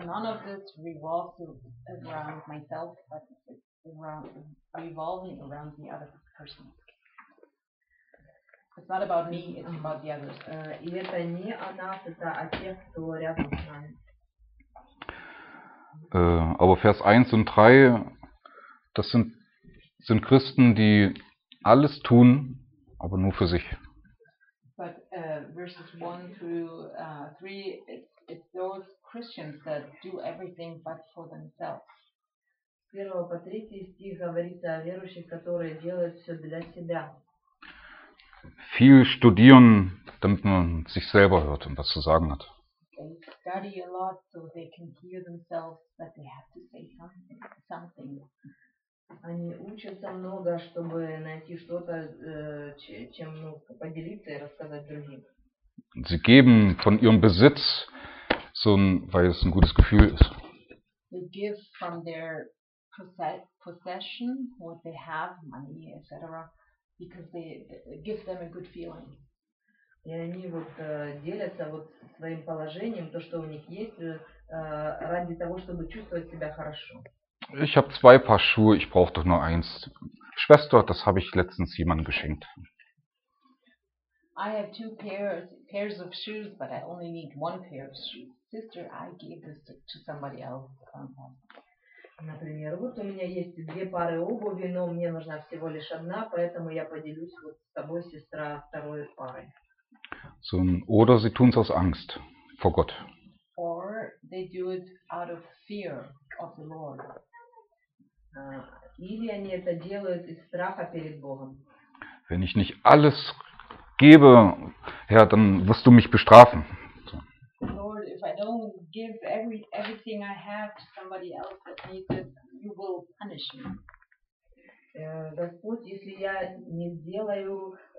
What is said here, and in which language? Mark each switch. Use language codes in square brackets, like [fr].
[en] None of this revolves around myself, but it's revolving around the other person. It's not about me, it's about the others. [ru] И это не о нас, это о тех, кто рядом с нами. [de] Aber Vers 1 und 3, das sind Christen, die alles tun, aber nur für sich. [en] But verses 1 through 3, it's those Christians that do everything but for themselves. [ru] 1 по 3 стих говорится о верующих, которые делают все для себя. [de] Viel studieren, damit man sich selber hört und was zu sagen hat. [en] They study a lot so they can hear themselves, but they have to say something. [ru] Они учатся много, чтобы найти что-то, чем ну, поделиться и рассказать другим. [de] Sie geben von ihrem Besitz, so ein, weil es ein gutes Gefühl ist. [en] They give from their possession, what they have, money, etc., because they give them a good feeling. [ru] И они вот делятся вот своим положением, то, что у них есть, ради того, чтобы чувствовать себя хорошо. [de] Ich habe zwei Paar Schuhe, ich brauche doch nur eins. Schwester, das habe ich letztens jemandem geschenkt. [en] I have two pairs of shoes, but I only need one pair of shoes. Sister, I gave this to somebody else. [ru] Например, вот у меня есть две пары обуви, но мне нужна всего лишь одна, поэтому я поделюсь вот с тобой, сестра, второй парой. [de] So, oder sie tun es aus Angst vor Gott. [en] Or they do it out of fear of the Lord. [ru] Или они это делают из страха перед Богом. [de] Wenn ich nicht alles gebe, Herr, dann wirst du mich bestrafen. [en] Lord, if I don't give everything I have to somebody else that needs it, you will punish me. [ru] Господь, если я не сделаю...